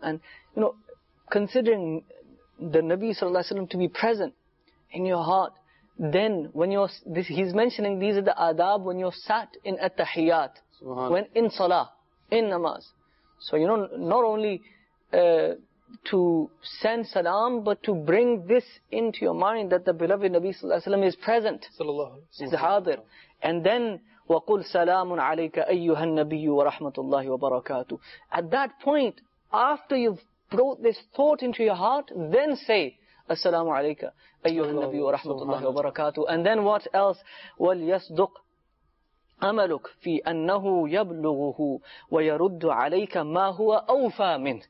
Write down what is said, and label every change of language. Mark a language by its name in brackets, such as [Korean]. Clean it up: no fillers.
[English] And, you know, considering the Nabi sallallahu alayhi wa sallam to be present in your heart, then when you're, this, he's mentioning these are the adab when you're sat in at-tahiyyat, when in salah, in namaz. So, you know, not only to send salam, but to bring this into your mind that the beloved Nabi sallallahu alayhi wa sallam is present. Sallallahu alayhi wa sallam. Is hadir. And then, [Arabic] وَقُلْ سَلَامٌ عَلَيْكَ أَيُّهَا النَّبِيُّ وَرَحْمَةُ اللَّهِ وَبَرَكَاتُهُ. [English] At that point, after you've brought this thought into your heart, then say, [Arabic] أَسَلَامُ عَلَيْكَ أَيُّهَا النَّبِيُّ وَرَحْمَةُ اللَّهِ وَبَرَكَاتُهُ. [English] And then what else? [Arabic] وَلْيَصْدُقْ أَمَلُكْ فِي أَنَّهُ يَبْلُغُهُ وَيَرُدُّ عَلَيْكَ مَا هُوَ أَوْفَى مِنْهُ.